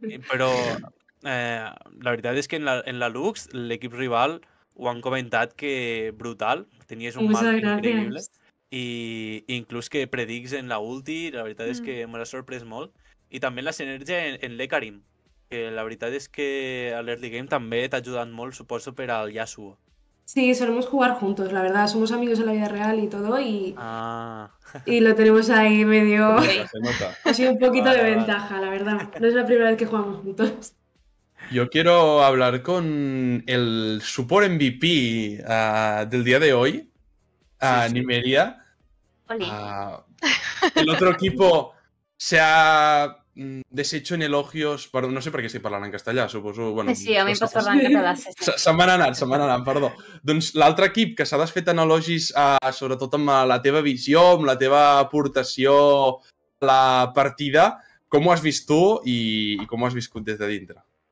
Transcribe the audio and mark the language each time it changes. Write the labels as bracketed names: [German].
[Catalan] Però la veritat és que en la Lux, l'equip rival, ho han comentat que brutal, tenies un marc increïble. I inclús que predics en la ulti, la veritat és que m'ha sorprès molt. I també la sinergia en l'Ekarim, que la veritat és que a l'early game també t'ha ajudat molt, suposo, per al Yasuo. [Spanish] Sí, solemos jugar juntos, la verdad. Somos amigos en la vida real y todo y... Ah. Y lo tenemos ahí medio... Se nota. Ha sido un poquito de ventaja, la verdad. No es la primera vez que jugamos juntos. Yo quiero hablar con el support MVP del día de hoy. Sí. Nimeria. El otro equipo se ha deshecho en elogios. [Catalan] No sé per què estic parlant en castellà, suposo. Bueno, sí, a mi em pots parlar en català. Se'n van anant, perdó. Doncs l'altre equip que s'ha desfet en elogis sobretot amb la teva visió, amb la teva aportació a la partida, com ho has vist tu i com ho has viscut des de dintre?